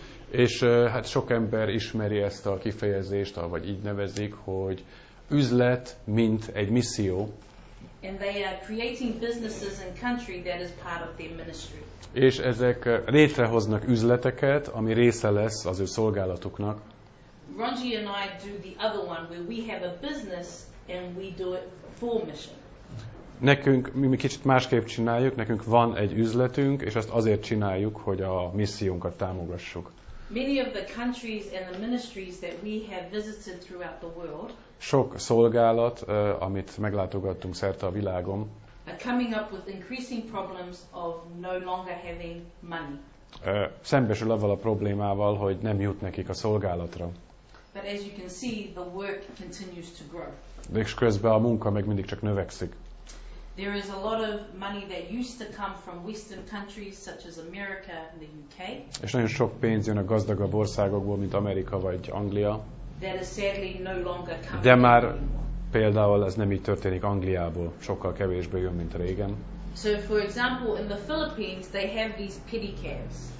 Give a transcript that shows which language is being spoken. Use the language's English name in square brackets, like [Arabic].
[Hungarian] És hát sok ember ismeri ezt a kifejezést, vagy így nevezik, hogy üzlet mint egy misszió. [English] And they are creating businesses in country that is part of their ministry. [Hungarian] És ezek létrehoznak üzleteket, ami része lesz az ő szolgálatuknak. [English] Ronji and I do the other one where we have a business and we do it for mission. [Hungarian] Nekünk mi kicsit másképp csináljuk, nekünk van egy üzletünk, és azt azért csináljuk, hogy a missziónkat támogassuk. [English] Many of the countries and the ministries that we have visited throughout the world. [Hungarian] Sok szolgálat, amit meglátogattunk szerte a világon. [English] Are coming up with increasing problems of no longer having money. [Hungarian] Szembesül avval a problémával, hogy nem jut nekik a szolgálatra. [English] But as you can see, the work continues to grow. [Hungarian] De és közben a munka meg mindig csak növekszik. [English] There is a lot of money that used to come from Western countries such as America and the UK. [Hungarian] És nagyon sok pénz jön a gazdagabb országokból, mint Amerika vagy Anglia. [English] That is sadly no longer coming. [Hungarian] De már például ez nem így történik Angliából, sokkal kevésbé jön, mint régen. [English] So for example, in the Philippines, they have these pedicabs.